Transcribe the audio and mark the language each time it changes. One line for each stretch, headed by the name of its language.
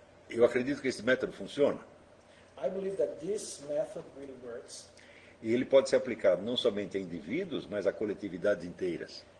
Portuguese: Eu acredito que esse método funciona.
English: I believe that this method really works.
Portuguese: E ele pode ser aplicado não somente a indivíduos, mas a coletividades inteiras.